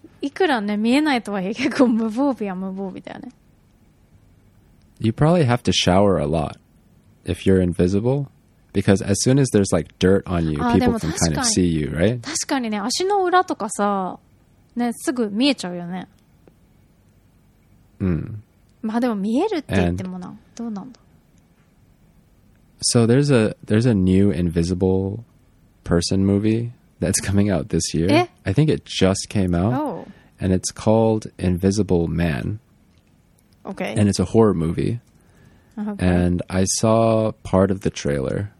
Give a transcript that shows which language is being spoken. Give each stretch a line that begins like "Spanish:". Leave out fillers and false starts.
Japanese: それかケビン・ベーコン的にもうだから全部脱いでスッパダカの状態で任務をこなすってなると、まあ、いくらね、見えないとはいえ結構無防備は無防備だよね。
English: You probably have to shower a lot if you're invisible, because as soon as there's like dirt on you, people can kind of see you, right?
Japanese: 確かにね、足の裏とかさ、ね、すぐ見えちゃうよね。まあでも見えるって言ってもな、どうなんだ?
English: So there's a new invisible person movie that's coming out this year. I think it just came out. Oh. And it's called Invisible Man. Okay. And it's a horror movie. Okay. And I saw part of the trailer.